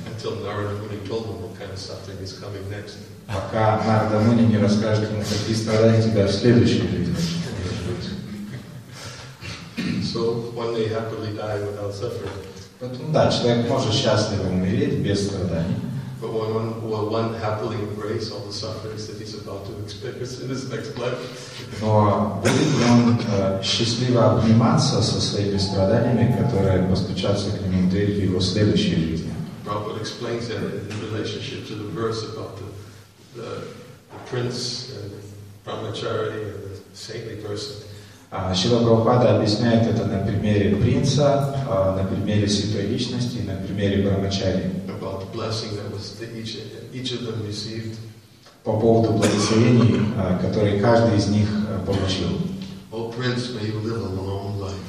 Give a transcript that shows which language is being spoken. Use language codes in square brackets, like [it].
[en] Until Narada Muni told him what kind of suffering is coming next. [ru] Пока Нарада Муни не расскажет ему, какие страдания тебя в следующей жизни. [en] So when they happily die without suffering. [ru] Поэтому да, человек может счастливо умереть без страданий. [en] But when one will one happily embrace all the sufferings that he's about to experience in his next life. [ru] Но будет ли он счастливо обниматься со своими страданиями, которые постучатся к нему в его следующей жизни? [en] Prabhupada explains that in relationship to the verse about the prince and brahmachari and the saintly person. [ru] Шрила Прабхупада объясняет это на примере принца, на примере святой личности, на примере брахмачари. [en] About the blessing that was the each of them received. [ru] По поводу благословений, которые каждый из них получил. [en] O prince, may you live a long life.